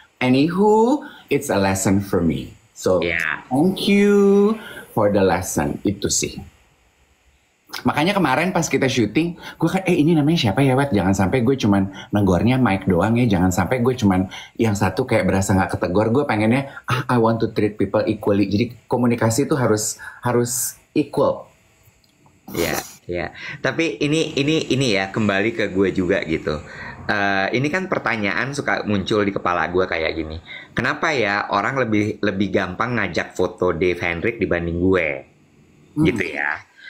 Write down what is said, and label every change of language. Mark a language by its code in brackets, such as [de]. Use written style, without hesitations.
[en] Anywho, it's a lesson for me. So thank you for the lesson, [id] itu sih. Makanya kemarin pas kita syuting, gue kayak, ini namanya siapa ya Wet? Jangan sampai gue cuman negornya mic doang ya. Jangan sampai gue cuman yang satu kayak berasa gak ketegor. Gue pengennya, [en] I want to treat people equally. [id] Jadi komunikasi itu harus equal. Ya. Tapi ini ya, kembali ke gue juga gitu. Ini kan pertanyaan suka muncul di kepala gue kayak gini. Kenapa ya orang lebih gampang ngajak foto Dave Hendrik dibanding gue? Gitu ya.